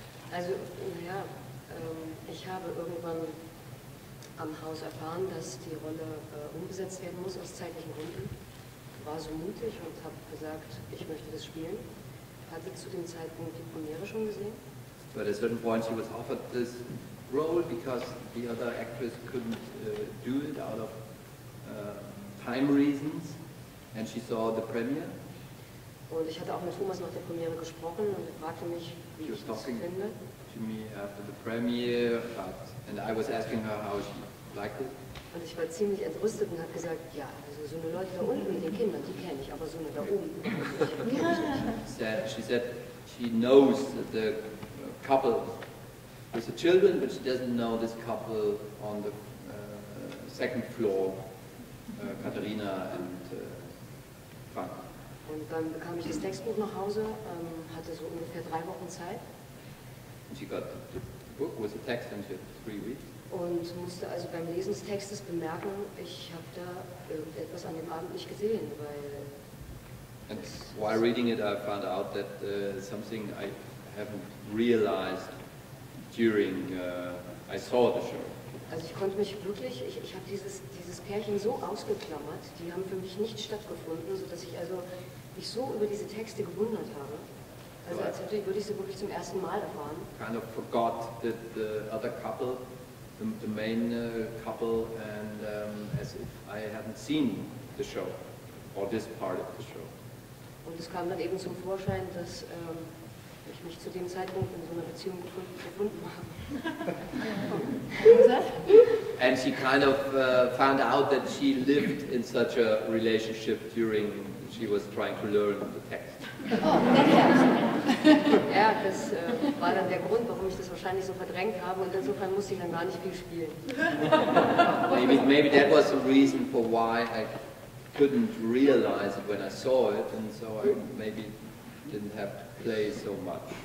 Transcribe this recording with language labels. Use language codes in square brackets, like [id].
[de] Also ja, ich habe irgendwann am Haus erfahren, dass die Rolle umgesetzt werden muss aus zeitlichen Gründen. War so mutig und habe gesagt, ich möchte das spielen. Hatte zu dem Zeitpunkt die Premiere schon gesehen. [en] But at a certain point she was offered this role because the other actress couldn't do it out of time reasons, and she saw the premiere. [de] Und ich hatte auch mit Thomas nach der Premiere gesprochen und fragte mich, wie ich das finde. [en] To me after the premiere, but, and I was asking her how she liked it. [de] Und ich war ziemlich entrüstet und habe gesagt, ja, also so eine Leute da unten mit den Kindern, die kenne ich, aber so eine da oben. [en] she said she knows the couple with the children, but she doesn't know this couple on the second floor, Katharina and Frank. [de] Und dann bekam ich das Textbuch nach Hause, hatte so ungefähr 3 Wochen Zeit. [en] And she got the book with the text and she had 3 weeks. [de] Und musste also beim Lesen des Textes bemerken, ich habe da irgendetwas an dem Abend nicht gesehen, weil... [en] And while reading it, I found out that something I haven't realized during I saw the show. [de] Also ich konnte mich wirklich, ich habe dieses Pärchen so ausgeklammert, die haben für mich nicht stattgefunden, sodass ich also mich so über diese Texte gewundert habe. Also als hätte, würde ich sie wirklich zum ersten Mal erfahren. [en] Kind of forgot that the other couple, the main couple, and as if I hadn't seen the show, or this part of the show. [de] Und es kam dann eben zum Vorschein, dass ich mich zu dem Zeitpunkt in so einer Beziehung gefunden habe. [en] And she kind of found out that she lived in such a relationship during she was trying to learn the text. Oh, that helps. [de] Ja, das war dann der Grund, warum ich das wahrscheinlich so verdrängt habe und insofern musste ich dann gar nicht viel spielen. [en] maybe that was the reason for why I couldn't realize it when I saw it, and so I maybe didn't have to play so much.